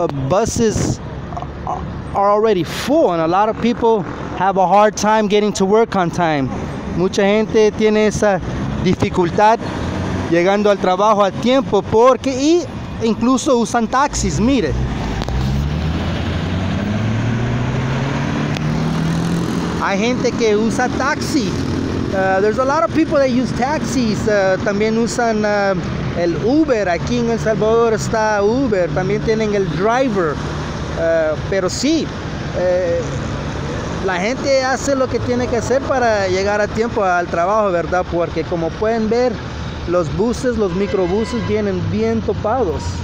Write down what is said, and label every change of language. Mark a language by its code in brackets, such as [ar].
[en] Buses are already full, and a lot of people have a hard time getting to work on time. [es] Mucha gente tiene esa dificultad llegando al trabajo a tiempo porque y incluso usan taxis, mire. Hay gente que usa taxi. [en] There's a lot of people that use taxis. [es] También usan el Uber. Aquí en El Salvador está Uber. También tienen el driver. Pero sí, la gente hace lo que tiene que hacer para llegar a tiempo al trabajo, ¿verdad? Porque como pueden ver, los buses, los microbuses vienen bien topados.